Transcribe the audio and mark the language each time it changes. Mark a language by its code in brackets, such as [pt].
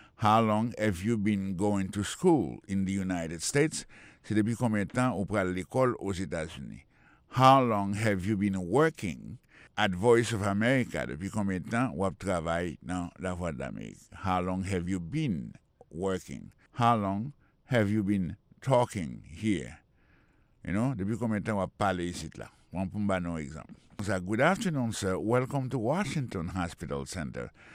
[en] How long have you been going to school in the United States? [fr] C'est depuis combien de temps vous prenez l'école aux États-Unis? [en] How long have you been working at Voice of America? [fr] Depuis combien de temps vous travaillez dans la Voix d'Amérique? [en] How long have you been working? How long have you been talking here? You know, [fr] depuis combien de temps vous parlez ici là? On peut prendre un exemple. [en] Good afternoon, sir. Welcome to Washington Hospital Center.